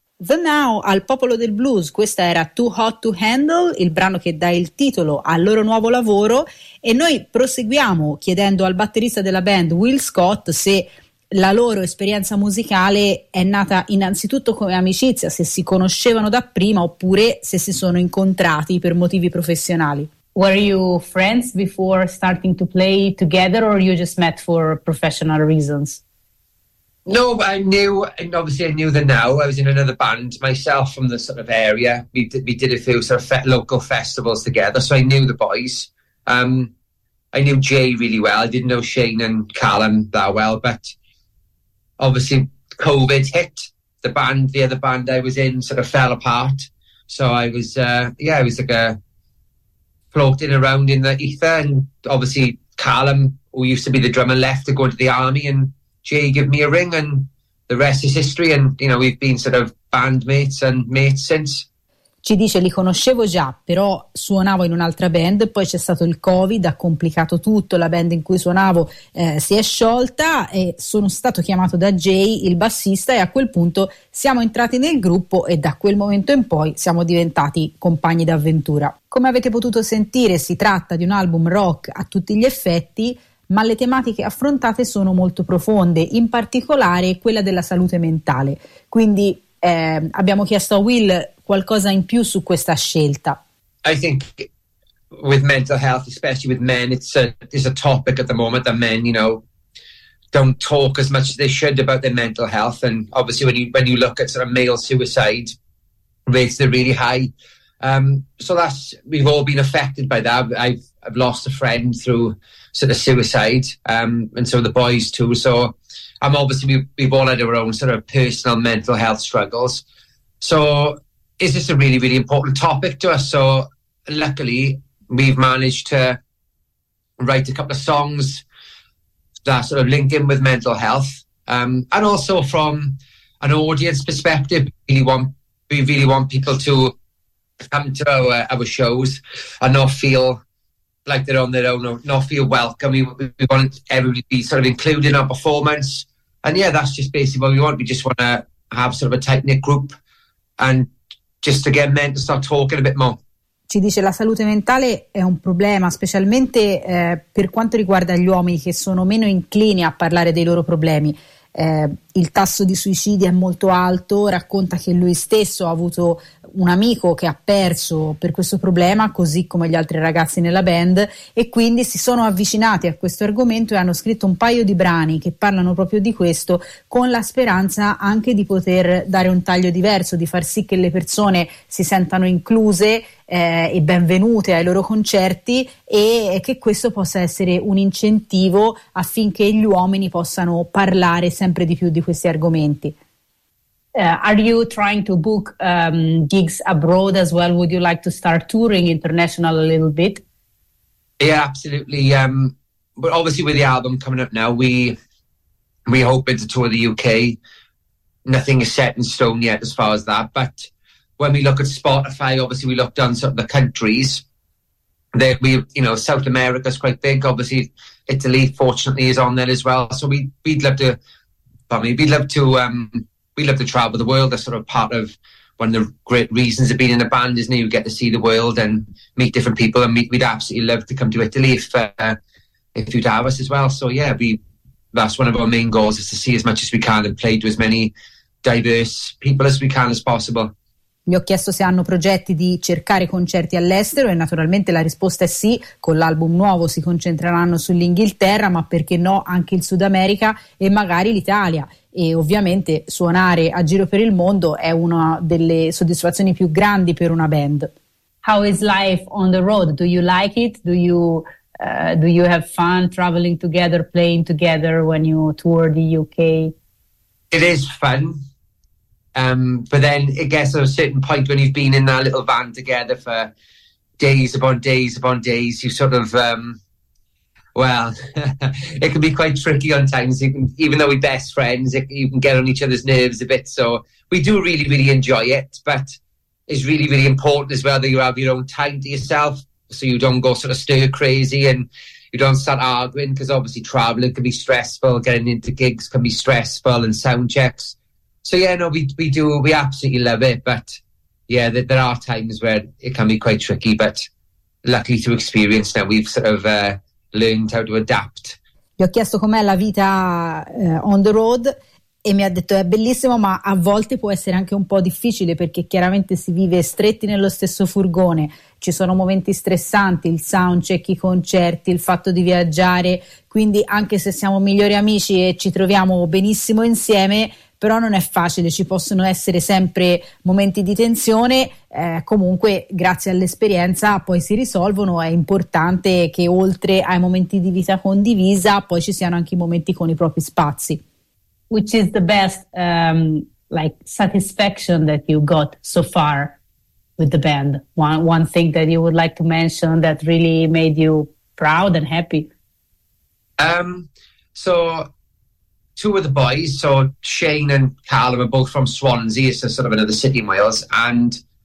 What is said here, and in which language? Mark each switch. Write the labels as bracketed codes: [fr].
[it] The Now al Popolo del Blues, questa era Too Hot to Handle, il brano che dà il titolo al loro nuovo lavoro, e noi proseguiamo chiedendo al batterista della band Will Scott se la loro esperienza musicale è nata innanzitutto come amicizia, se si conoscevano da prima oppure se si sono incontrati per motivi professionali. [en] Were you friends before starting to play together, or you just met for professional reasons? No, I knew, and obviously I knew the Now. I was in another band myself from the sort of area. We did a few sort of local festivals together, so I knew the boys. I knew Jay really well. I didn't know Shane and Callum that well, but obviously COVID hit. The other band I was in sort of fell apart. So I was, I was like a floating around in the ether. And obviously Callum, who used to be the drummer, left to go to the army, and Jay gave me a ring, and the rest is history. And, you know, we've been sort of bandmates and mates since. [it] ci dice: li conoscevo già, però suonavo in un'altra band, poi c'è stato il Covid, ha complicato tutto, la band in cui suonavo si è sciolta e sono stato chiamato da Jay, il bassista, e a quel punto siamo entrati nel gruppo e da quel momento in poi siamo diventati compagni d'avventura. Come avete potuto sentire, si tratta di un album rock a tutti gli effetti, ma le tematiche affrontate sono molto profonde, in particolare quella della salute mentale. Quindi abbiamo chiesto a Will qualcosa in più su questa scelta. [en] I think with mental health, especially with men, it's a topic at the moment that men, you know, don't talk as much as they should about their mental health. And obviously when you look at sort of male suicide rates, they're really high. So that's, we've all been affected by that. I've lost a friend through sort of suicide, and some of the boys too. So I'm obviously, we've all had our own sort of personal mental health struggles. So is this a really, really important topic to us? So luckily we've managed to write a couple of songs that sort of link in with mental health. And also from an audience perspective, we really want people to come to our shows and not feel like they're on their own, or not feel welcome. We want everybody to be sort of included in our performance. And yeah, that's just basically what we want. We just want to have sort of a tight-knit group and just to get men to start talking a bit more. [it] Ci dice: la salute mentale è un problema, specialmente per quanto riguarda gli uomini, che sono meno inclini a parlare dei loro problemi. Il tasso di suicidi è molto alto. Racconta che lui stesso ha avuto un amico che ha perso per questo problema, così come gli altri ragazzi nella band, e quindi si sono avvicinati a questo argomento e hanno scritto un paio di brani che parlano proprio di questo, con la speranza anche di poter dare un taglio diverso, di far sì che le persone si sentano incluse e benvenute ai loro concerti, e che questo possa essere un incentivo affinché gli uomini possano parlare sempre di più di questi argomenti. [en] Are you trying to book gigs abroad as well? Would you like to start touring international a little bit? Yeah, absolutely. But obviously with the album coming up now, we hope to tour the UK. Nothing is set in stone yet as far as that. But when we look at Spotify, obviously we looked on some of the countries that we, you know, South America is quite big. Obviously Italy, fortunately, is on there as well. So we'd love to travel the world. That's sort of part of one of the great reasons of being in a band, isn't it? You get to see the world and meet different people, and we'd absolutely love to come to Italy if you'd have us as well. So yeah, that's one of our main goals, is to see as much as we can and play to as many diverse people as we can as possible. [it] Gli ho chiesto se hanno progetti di cercare concerti all'estero e naturalmente la risposta è sì. Con l'album nuovo si concentreranno sull'Inghilterra, ma perché no anche il Sud America e magari l'Italia. E ovviamente suonare a giro per il mondo è una delle soddisfazioni più grandi per una band. [en] How is life on the road? Do you like it? Do you have fun traveling together, playing together when you tour the UK? It is fun. But then it gets to a certain point when you've been in that little van together for days upon days upon days, you sort of well, it can be quite tricky on times. Even though we're best friends, you can get on each other's nerves a bit. So we do really, really enjoy it. But it's really, really important as well that you have your own time to yourself, so you don't go sort of stir crazy and you don't start arguing, because obviously traveling can be stressful, getting into gigs can be stressful, and sound checks. So yeah, no, we do. We absolutely love it. But yeah, there are times where it can be quite tricky. But luckily through experience now, we've sort of learned how to adapt. [it] Gli ho chiesto com'è la vita [en] on the road [it] e mi ha detto: è bellissimo, ma a volte può essere anche un po' difficile, perché chiaramente si vive stretti nello stesso furgone, ci sono momenti stressanti, il soundcheck, i concerti, il fatto di viaggiare, quindi anche se siamo migliori amici e ci troviamo benissimo insieme, però non è facile, ci possono essere sempre momenti di tensione. Comunque, grazie all'esperienza, poi si risolvono. È importante che oltre ai momenti di vita condivisa, poi ci siano anche i momenti con i propri spazi. [en] Which is the best satisfaction that you got so far with the band? One thing that you would like to mention that really made you proud and happy? So two of the boys, so Shane and Callum, are both from Swansea. It's a sort of another city in Wales. And